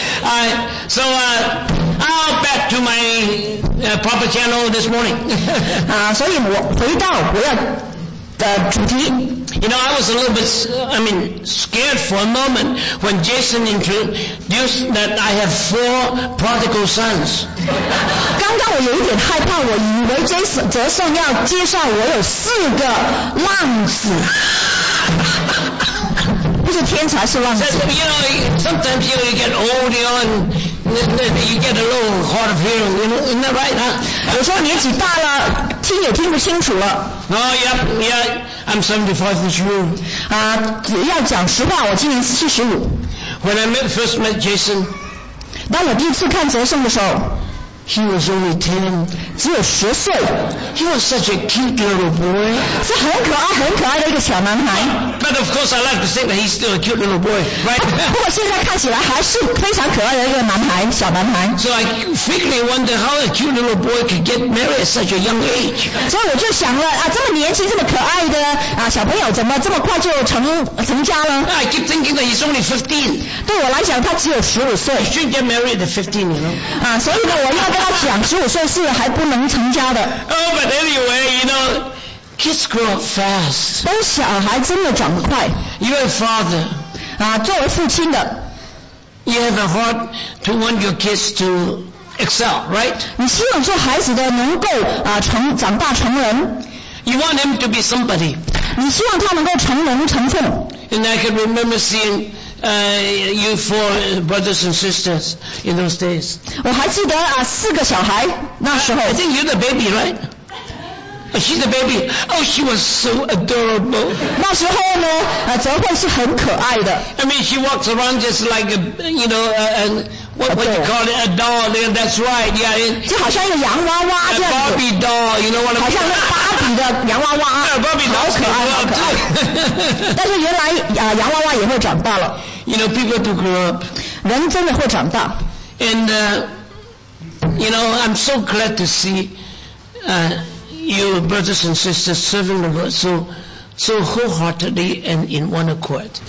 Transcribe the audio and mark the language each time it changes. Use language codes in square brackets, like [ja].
[en] I'll back to my proper channel this morning. [zh] 所以我回到我要的主题。 [en] You know, I was a little bit, scared for a moment when Jason introduced that I have four prodigal sons. [zh] 刚刚我有一点害怕，我以为 Jason 要介绍我有四个浪子。不是天才，是浪子。 [en] So, you know, sometimes you get old, you get a little hard of hearing, isn't that right, huh? [zh] 有时候年纪大了，听也听不清楚了。 [en] Oh, yeah, I'm 75 this year. [zh] 要讲实话，我今年是75。 [en] When I first met Jason, [zh] 当我第一次看杰森的时候， [en] he was only 10, [zh] 只有十岁。 [en] He was such a cute little boy. [zh] 是很可爱、很可爱的一个小男孩。 [en] But of course, I like to think that he's still a cute little boy, right? [zh] 不过现在看起来还是非常可爱的一个男孩，小男孩。 [en] So I frequently wonder how a cute little boy could get married at such a young age. [zh] 所以我就想了啊，这么年轻、这么可爱的小朋友，怎么这么快就成家了 [en] ？I keep thinking that he's only 15. [zh] 对我来讲，他只有十五岁。 [en] He shouldn't get married at 15, you know? [zh] 所以呢，我要跟他讲，十五岁是还不能成家的。 [en] Oh, but anyway, you know. Kids grow up fast. [zh] 都小孩真的长得快。 [en] You are a father. [zh] 作为父亲的。 [en] You have a heart to want your kids to excel, right? [zh] 你希望做孩子的能够长大成人。 [en] You want them to be somebody. [zh] 你希望他能够成人成分。 [en] And I can remember seeing you four brothers and sisters in those days. [zh] 我还记得啊，四个小孩那时候。 [en] I think you're the baby, right? She's a baby. Oh, she was so adorable. [zh] 那时候呢，啊，泽慧是很可爱的。 [en] I mean, she walks around just like a, you know, and what you call it, a doll. Yeah, that's right. Yeah, it, [zh] 就好像一个洋娃娃这样子。 [en] A Barbie doll, you know what I mean? [zh] 好像那芭比的洋娃娃。 [en] A Barbie doll, [zh] 好可爱，好可爱。但是原来啊，洋娃娃也会长大了。 [en] You know, people do grow up. [zh] 人真的会长大。 [en] And you know, I'm so glad to see, Your brothers and sisters serving the Lord so wholeheartedly and in one accord.